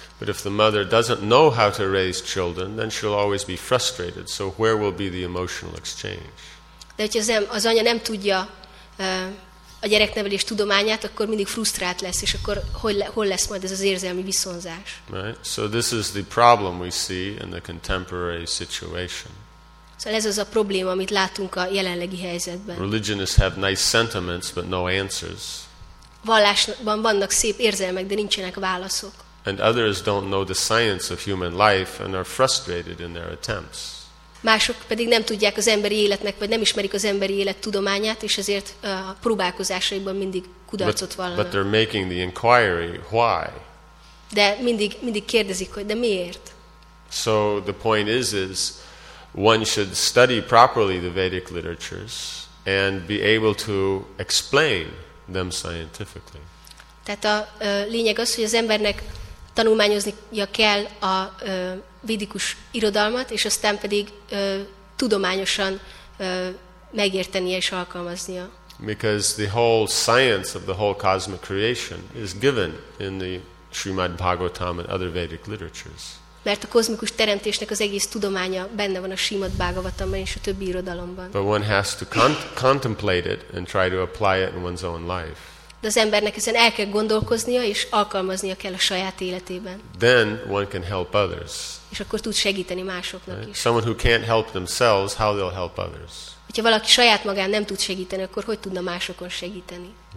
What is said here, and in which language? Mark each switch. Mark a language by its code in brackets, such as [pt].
[en] But if the mother doesn't know how to raise children, then she'll always be frustrated. So where will be the emotional exchange? [hu] De hogyha az anya nem tudja a gyereknevelés tudományát, akkor mindig frusztrált lesz, és akkor hol lesz majd ez az érzelmi viszonzás? [en] Right. So this is the problem we see in the contemporary situation. [hu] Szóval ez az a probléma, amit látunk a jelenlegi helyzetben. [en] Religionists have nice sentiments, but no answers. [hu] Vallásban vannak szép érzelmek, de nincsenek válaszok. [en] And others don't know the science of human life and are frustrated in their attempts. [hu] Mások pedig nem tudják az emberi életnek, vagy nem ismerik az emberi élet tudományát, és ezért a próbálkozásaiban mindig kudarcot vallanak. [en] But they're making the inquiry, why? [hu] De mindig kérdezik, hogy de miért? [en] So the point is one should study properly the Vedic literatures and be able to explain them scientifically. [hu] Tehát a lényeg az, hogy az embernek tanulmányoznia kell a védikus irodalmat, és aztán pedig tudományosan megértenie és alkalmaznia. [en] Because the whole science of the whole cosmic creation is given in the Srimad Bhagavatam and other Vedic literatures. [hu] Mert a kozmikus teremtésnek az egész tudománya benne van a Srimad Bhagavatamban és a többi irodalomban. [en] But one has to contemplate it and try to apply it in one's own life. [hu] De az embernek ezen el kell gondolkoznia és alkalmaznia kell a saját életében. [en] Then one can help others. [hu] És akkor tud segíteni másoknak is. [en] Someone who can't help themselves, how they'll help others? [hu] Hogyha valaki saját magán nem tud segíteni, akkor hogy tudna másokon segíteni?